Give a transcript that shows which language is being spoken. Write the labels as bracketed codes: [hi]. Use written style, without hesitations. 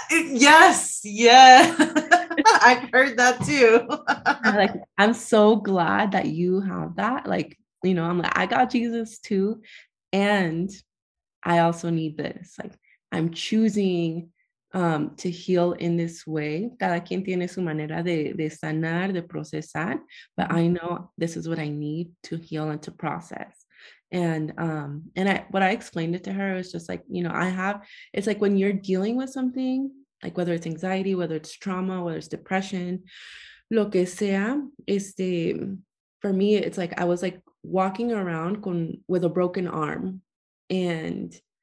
[en] yes, yes. I've heard that too. Like, I'm so glad that you have that. Like, you know, I'm like, I got Jesus too. And I also need this. Like, I'm choosing to heal in this way. [es] Cada quien tiene su manera de sanar, de procesar. [en] But I know this is what I need to heal and to process. And what I explained it to her was just like, you know, it's like when you're dealing with something, like whether it's anxiety, whether it's trauma, whether it's depression, [es] lo que sea, [en] for me, it's like, I was like walking around with a broken arm, and